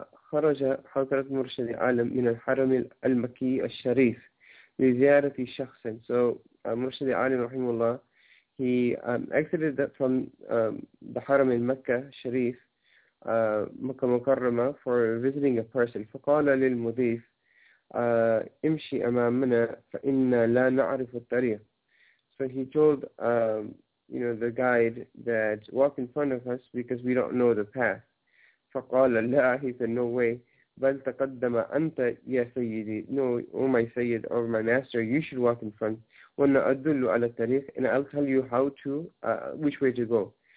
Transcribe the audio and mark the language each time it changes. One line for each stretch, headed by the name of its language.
Arabic: خرج حضرة مرشد العالم من الحرم المكي الشريف لزيارة شخص.
English: So
Arabic: مرشد العالم رحمه الله,
English: he exited from the
Arabic: حرم المكة الشريف مكة مكرمة
English: for visiting a person.
Arabic: فقال للمضيف امشي أمامنا فإن لا نعرف الطريق.
English: So he told you know, the guide that walk in front of us because we don't know the path.
Arabic: فَقَالَ لَا,
English: he said, no way.
Arabic: بَلْ تَقَدَّمَ أَنْتَ يَا سَيِّدِي,
English: no, oh my Sayyid, or my master, you should walk in front.
Arabic: وَنَأَدُّلُّ عَلَى الطَّرِيقِ,
English: and I'll tell you how to, which way to go.